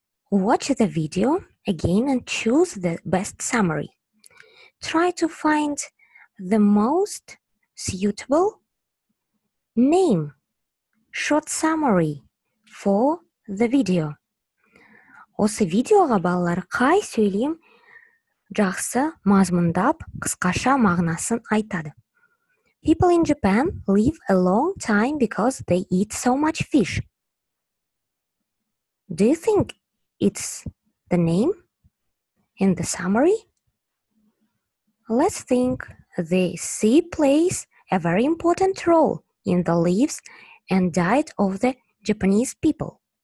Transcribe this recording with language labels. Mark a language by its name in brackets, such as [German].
[English] Watch the video again and choose the best summary. Try to find the most suitable name, short summary for the video. [Kazakh] Осы видеоға балалар қай сөйлем жақсы мазмұндап қысқаша мағынасын айтады. [English] People in Japan live a long time because they eat so much fish. Do you think it's the name in the summary? Let's think the sea plays a very important role in the lives and diet of the Japanese people.